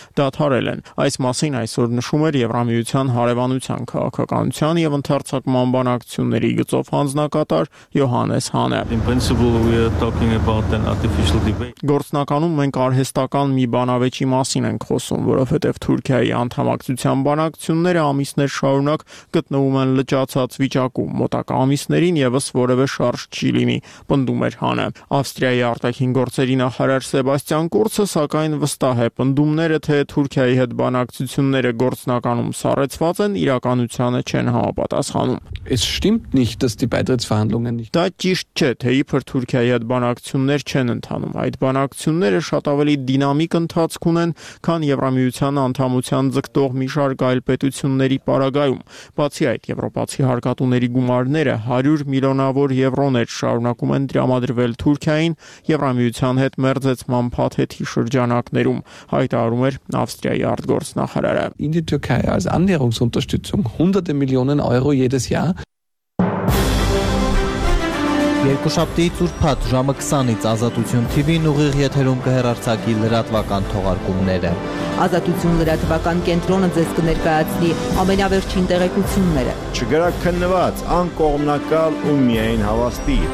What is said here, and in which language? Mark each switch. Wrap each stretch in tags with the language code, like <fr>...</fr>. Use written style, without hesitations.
<hy>դադարել են։ Այս մասին այսօր նշում էր Եվրամիության հարևանության քաղաքականության եւ ընդարձակման բանակցությունների գծով հանձնակատար Յոհանես Հանը։ Գործնականում մենք արհեստական մի բանավեճի մասին ենք խոսում, որովհետեւ Թուրքիայի անդամակցության բանակցությունները ամիսներ շարունակ գտնվում են լճացած վիճակում, մոտակա ամիսներին եւս որևէ շարժ չի լինի, պնդում էր Հանը։ Ավստրիայի արտաքին գործերի նախարար Սեբաստիան Կուրցը սակայն վստահ է, պնդումները, թե Թուրքիայի հետ բանակցությունները գործնականում սառեցված են, իրականությանը չեն համապատասխանում։</hy> <de>Es stimmt nicht, dass die Beitrittsverhandlungen nicht.</de> <hy>Դա ճիշտ չէ, թե իբր Թուրքիայի հետ բանակցություններ չեն ընթանում։ Այդ բանակցությունները շատ ավելի դինամիկ ընթացք ունեն, քան Եվրամիության անդամության ձգտող մի շարք այլ պետությունների պարագայում։ Բացի այդ, եվրոպացի հարկատուների գումարները 100 միլիոնավոր եվրոներ շարունակում են դրամադրվել Թուրքիային Եվրամիության հետ մերձեցման փաթեթի շրջանակներում, հայտարարում էր Ավստրիայի արտգործնախարարը։</hy> <de>In die Türkei als Annäherungsunterstützung hunderte Millionen Euro jedes Jahr.</de> <hy>Երկուշաբթի ծուրփաթ ժամը 20-ից Ազատություն TV-ն ուղիղ եթերում կհեռարցակի լրատվական թողարկումները։ Ազատություն լրատվական կենտրոնը ձեզ կներկայացնի ամենավերջին տեղեկությունները։ Չգրաքննված, անկողմնակալ ու միայն հավաստի։</hy>